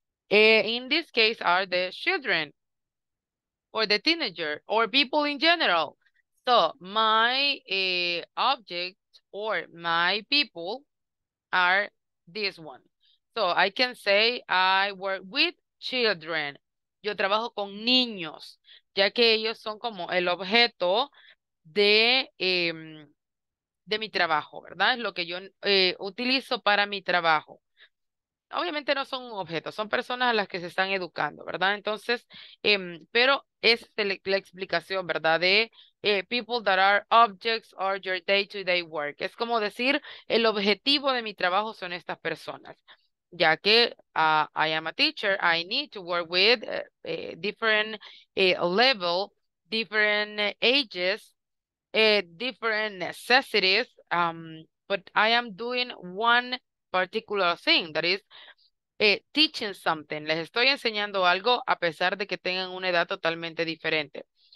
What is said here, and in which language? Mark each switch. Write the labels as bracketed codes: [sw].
[en] In this case are the children or the teenager or people in general. So my object or my people are this one. So I can say I work with children. [es] Yo trabajo con niños, ya que ellos son como el objeto de mi trabajo, ¿verdad? Es lo que yo utilizo para mi trabajo. Obviamente no son un objeto, son personas a las que se están educando, ¿verdad? Entonces, pero es la explicación, ¿verdad? [en] De people that are objects are your day-to-day work. [es] Es como decir, el objetivo de mi trabajo son estas personas. Ya que [en] I am a teacher, I need to work with different level, different ages, different necessities, but I am doing one particular thing, that is teaching something. [es] Les estoy enseñando algo a pesar de que tengan una edad totalmente diferente.